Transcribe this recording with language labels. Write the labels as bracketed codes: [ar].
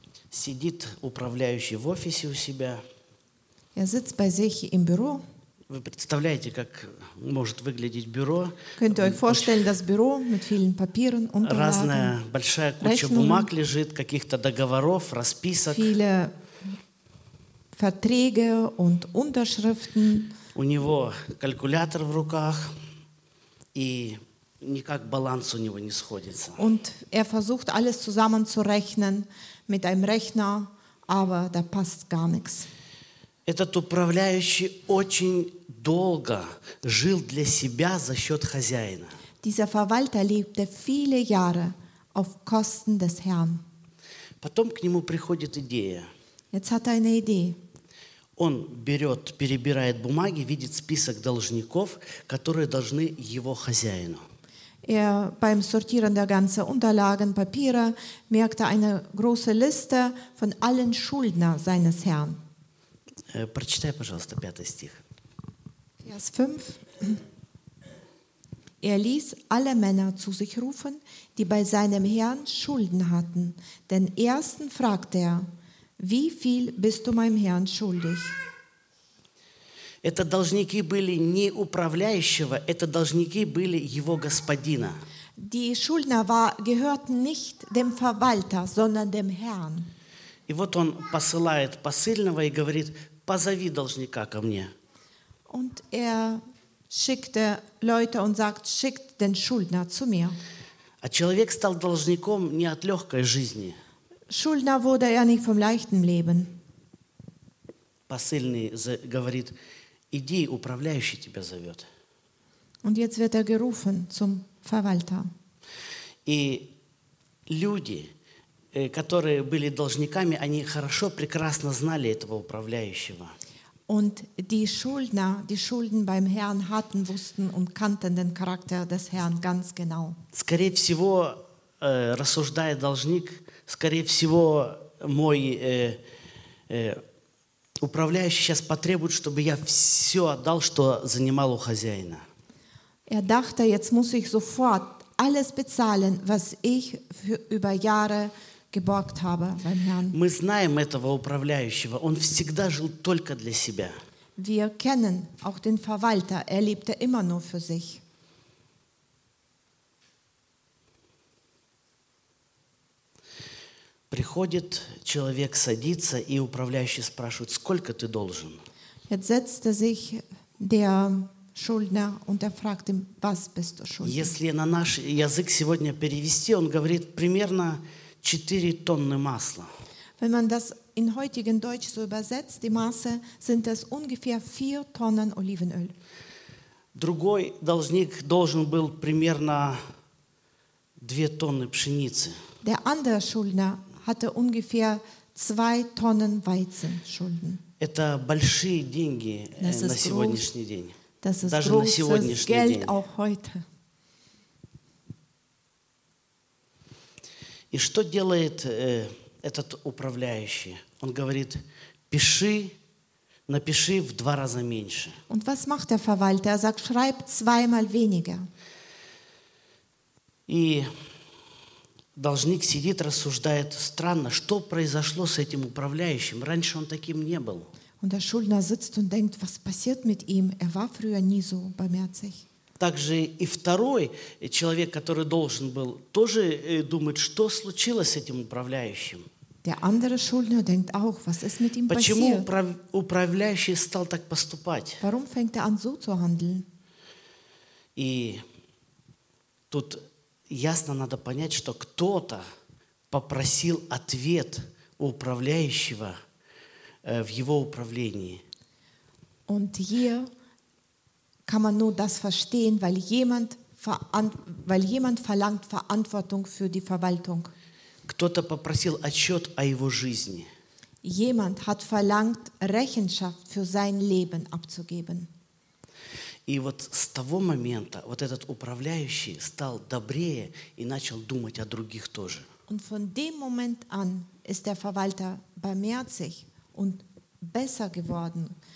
[ru] Сидит управляющий в офисе у себя. [de] Er sitzt bei sich im Büro. [ru] Вы представляете, как может выглядеть бюро? [de] Könnt ihr euch vorstellen, das Büro mit vielen Papieren, Unterlagen, [ru] разная большая куча Rechnungen, бумаг лежит, каких-то договоров, расписок. [de] Viele Verträge und Unterschriften. [ru] У него калькулятор в руках, и никак баланс у него не сходится. [de] Und er versucht alles zusammenzurechnen mit einem Rechner, aber da passt gar nichts. [ru] Этот управляющий очень долго жил для себя за счет хозяина. [de] Dieser Verwalter lebte viele Jahre auf Kosten des Herrn. [ru] Потом к нему приходит идея. [de] Jetzt hat er eine Idee. [ru] Он берет, перебирает бумаги, видит список должников, которые должны его хозяину. [de] Er beim Sortieren der ganzen Unterlagen, Papiere, merkte eine große Liste von allen Schuldnern seines Herrn. [ru] Прочитай, пожалуйста, пятый стих. [de] Vers 5. Er ließ alle Männer zu sich rufen, die bei seinem Herrn Schulden hatten. Den ersten fragte er, wie viel bist du meinem Herrn schuldig? [ru] Это должники были не управляющего, это должники были его господина. [de] Die Schuldner gehörten nicht dem Verwalter, sondern dem Herrn. [ru] И вот он посылает посыльного и говорит, позови должника ко мне. [de] Und er schickte Leute und sagt, schickt den Schuldner zu mir. [ru] А человек стал должником не от легкой жизни. [de] Schuldner wurde er nicht vom leichten Leben. [ru] Посыльный говорит, иди, управляющий тебя зовет. [de] Und jetzt wird er gerufen zum Verwalter. [ru] И люди, которые были должниками, они хорошо, прекрасно знали этого управляющего. [de] Und die Schuldner, die Schulden beim Herrn hatten, wussten und kannten den Charakter des Herrn ganz genau. [ru] Скорее всего, рассуждает должник, скорее всего, мой управляющий сейчас потребует, чтобы я все отдал, что занимал у хозяина. [de] Er dachte, jetzt muss ich sofort alles bezahlen, was ich für über Jahre geborgt habe beim Herrn. [ru] Мы знаем этого управляющего. Он всегда жил только для себя. [de] Wir kennen auch den Verwalter. Er lebte immer nur für sich. [ru] Приходит человек, садится, и управляющий спрашивает, сколько ты должен? [de] Jetzt setzte sich der Schuldner und er fragt ihn, was bist du schuldig? [ru] Если на наш язык сегодня перевести, он говорит примерно 4 тонны масла. [de] Wenn man das in heutigen Deutsch so übersetzt, die Masse, sind es ungefähr 4 Tonnen Olivenöl. [ru] Другой должник должен был примерно 2 тонны пшеницы. [de] Der andere Schuldner hatte ungefähr 2 Tonnen Weizen Schulden. [ru] Это большие деньги на сегодняшний день. [de] Das ist großes Geld auch heute. [ru] И что делает этот управляющий? Он говорит, пиши Напиши в два раза меньше. [de] Und was macht der Verwalter? Er sagt, schreib zweimal weniger. [ru] И должник сидит, рассуждает, странно, что произошло с этим управляющим? Раньше он таким не был. [de] Und der Schuldner sitzt und denkt, was passiert mit ihm? Er war früher nie so barmherzig. [ru] Также и второй человек, который должен был, тоже думает, что случилось с этим управляющим. [de] Der andere Schuldner denkt auch, was ist mit ihm [ru] Почему [de] passiert? [ru] Почему управляющий стал так поступать? [de] Warum fängt er an so zu handeln? [ru] И тут ясно надо понять, что кто-то попросил ответ у управляющего в его управлении. [de] Und hier kann man nur das verstehen, weil jemand verlangt Verantwortung für die Verwaltung. [ru] Кто-то попросил отчет о его жизни. [de] Jemand hat verlangt Rechenschaft für sein Leben abzugeben. [ru] И вот с того момента вот этот управляющий стал добрее и начал думать о других тоже. [de] Und von dem Moment an ist der Verwalter barmherzig und besser geworden.